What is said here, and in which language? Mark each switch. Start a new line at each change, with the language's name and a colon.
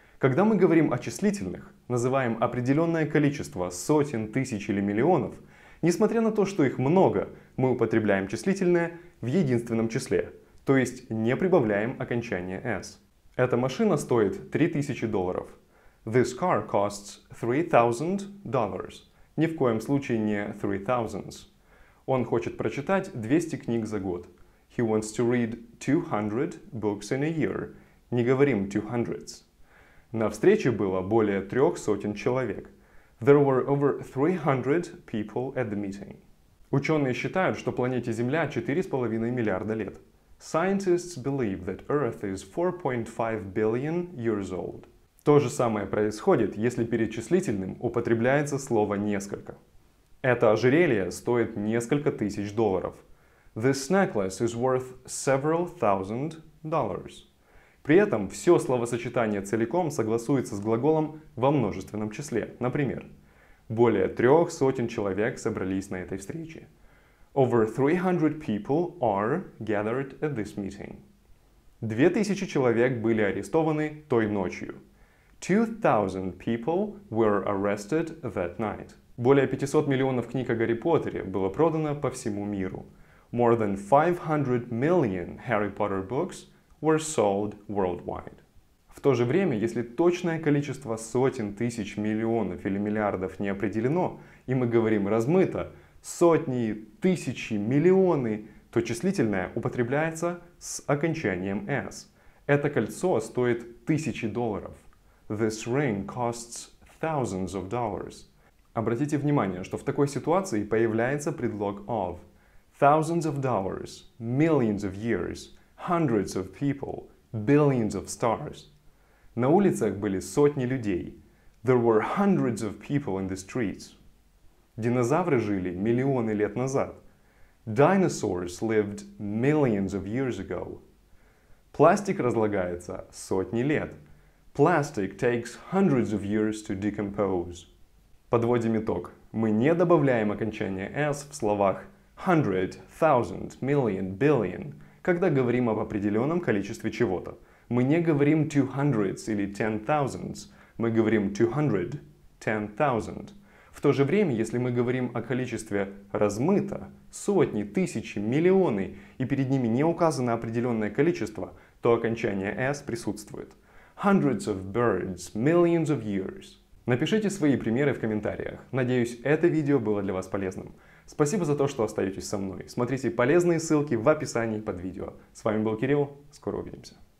Russian: Когда мы говорим о числительных, называем определенное количество сотен, тысяч или миллионов, несмотря на то, что их много, мы употребляем числительное в единственном числе, то есть не прибавляем окончание s. Эта машина стоит $3000.
English: This car costs $3000.
Russian: Ни в коем случае не
English: three thousands.
Russian: Он хочет прочитать 200 книг за год.
English: He wants to read 200 books in a year.
Russian: Не говорим 200s. На встрече было более 300 человек.
English: There were over 300 people at the meeting.
Russian: Ученые считают, что планете Земля 4,5 миллиарда лет.
English: Scientists believe that Earth is 4.5 billion years old.
Russian: То же самое происходит, если перед числительным употребляется слово «несколько». Это ожерелье стоит несколько тысяч долларов.
English: This necklace is worth several thousand dollars.
Russian: При этом все словосочетание целиком согласуется с глаголом во множественном числе. Например, более 300 человек собрались на этой встрече.
English: Over 300 people are gathered at this meeting.
Russian: 2000 человек были арестованы той ночью.
English: 2000 people were arrested that night.
Russian: Более 500 миллионов книг о Гарри Поттере было продано по всему миру.
English: More than 500 million Harry Potter books were sold worldwide.
Russian: В то же время, если точное количество сотен, тысяч, миллионов или миллиардов не определено, и мы говорим размыто, сотни, тысячи, миллионы, то числительное употребляется с окончанием s. Это кольцо стоит тысячи долларов.
English: This ring costs thousands of dollars.
Russian: Обратите внимание, что в такой ситуации появляется предлог of.
English: Thousands of dollars, millions of years, hundreds of people, billions of stars.
Russian: На улицах были сотни людей.
English: There were hundreds of people in the streets.
Russian: Динозавры жили миллионы лет назад.
English: Dinosaurs lived millions of years ago.
Russian: Пластик разлагается сотни лет.
English: Plastic takes hundreds of years to decompose.
Russian: Подводим итог. Мы не добавляем окончание s в словах hundred, thousand, million, billion, когда говорим об определенном количестве чего-то. Мы не говорим
English: two hundreds
Russian: или
English: ten thousands.
Russian: Мы говорим 200, 10,000. В то же время, если мы говорим о количестве размыто, сотни, тысячи, миллионы, и перед ними не указано определенное количество, то окончание s присутствует.
English: Hundreds of birds, millions of years.
Russian: Напишите свои примеры в комментариях. Надеюсь, это видео было для вас полезным. Спасибо за то, что остаетесь со мной. Смотрите полезные ссылки в описании под видео. С вами был Кирилл. Скоро увидимся.